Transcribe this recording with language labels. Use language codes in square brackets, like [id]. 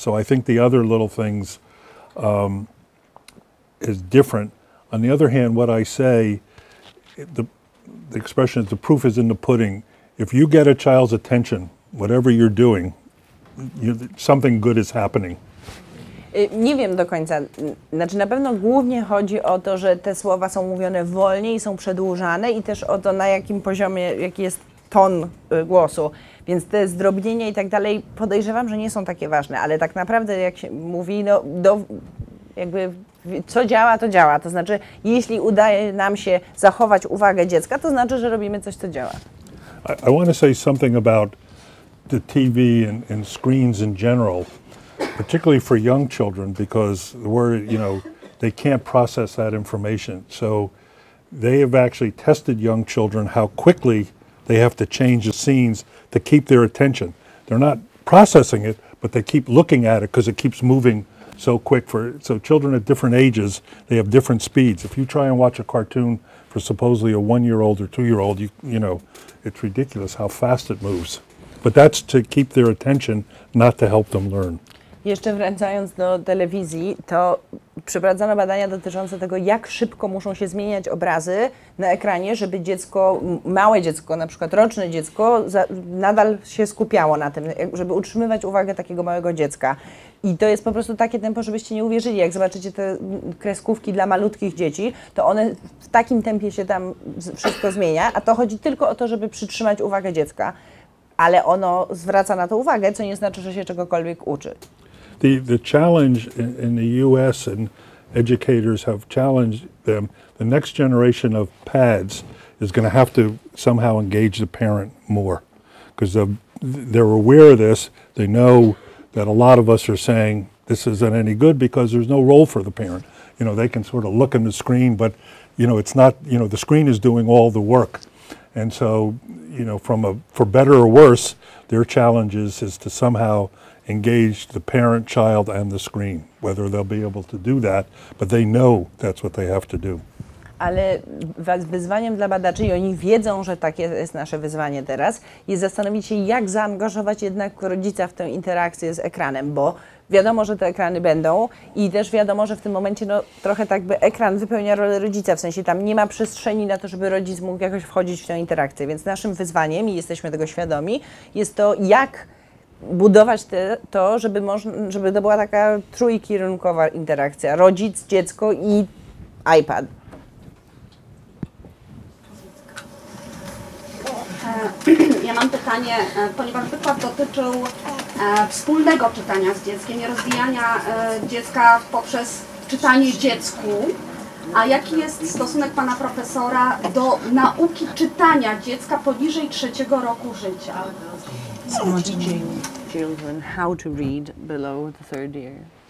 [en] So I think the other little things is different. On the other hand, what I say, the expression is the proof is in the pudding. If you get a child's attention, whatever you're doing, something good is happening. [pl] Nie wiem do końca. Znaczy, na pewno głównie chodzi o to, że te słowa są mówione wolniej, są przedłużane i też o to, na jakim poziomie, jaki jest ton głosu. Więc te zdrobnienia i tak dalej, podejrzewam, że nie są takie ważne. Ale tak naprawdę, jak się mówi, no, jakby co działa, to działa. To znaczy, jeśli udaje nam się zachować uwagę dziecka, to znaczy, że robimy coś, co działa. [en] I want to say something about the TV and screens in general, particularly for young children, because we're, you know, they can't process that information. So they have actually tested young children how quickly they have to change the scenes to keep their attention. They're not processing it, but they keep looking at it because it keeps moving so quick. So children at different ages, they have different speeds. If you try and watch a cartoon for supposedly a one-year-old or two-year-old, you know, it's ridiculous how fast it moves. But that's to keep their attention, not to help them learn. [pl] Jeszcze wracając do telewizji, to przeprowadzono badania dotyczące tego, jak szybko muszą się zmieniać obrazy na ekranie, żeby dziecko, małe dziecko, na przykład roczne dziecko, nadal się skupiało na tym, żeby utrzymywać uwagę takiego małego dziecka. I to jest po prostu takie tempo, żebyście nie uwierzyli. Jak zobaczycie te kreskówki dla malutkich dzieci, to one w takim tempie się tam wszystko zmienia, a to chodzi tylko o to, żeby przytrzymać uwagę dziecka. Ale ono zwraca na to uwagę, co nie znaczy, że się czegokolwiek uczy. [en] The challenge in the US, and educators have challenged them, the next generation of pads is going to have to somehow engage the parent more. Because they're aware of this, they know that a lot of us are saying this isn't any good because there's no role for the parent. You know, they can sort of look in the screen, but, you know, it's not, you know, the screen is doing all the work. And so, you know, for better or worse, their challenge is to somehow engage the parent, child and the screen. Whether they'll be able to do that, but they know that's what they have to do. [pl] Ale wyzwaniem dla badaczy, i oni wiedzą, że takie jest nasze wyzwanie teraz, jest zastanowić się, jak zaangażować jednak rodzica w tę interakcję z ekranem, bo wiadomo, że te ekrany będą i też wiadomo, że w tym momencie no, trochę tak by ekran wypełnia rolę rodzica, w sensie tam nie ma przestrzeni na to, żeby rodzic mógł jakoś wchodzić w tę interakcję, więc naszym wyzwaniem, i jesteśmy tego świadomi, jest to, jak budować to, żeby to była taka trójkierunkowa interakcja, rodzic, dziecko i iPad. Ja mam pytanie, ponieważ wykład dotyczył wspólnego czytania z dzieckiem, nie rozwijania dziecka poprzez czytanie dziecku, a jaki jest stosunek pana profesora do nauki czytania dziecka poniżej trzeciego roku życia? [en] Children, how to read below the third year?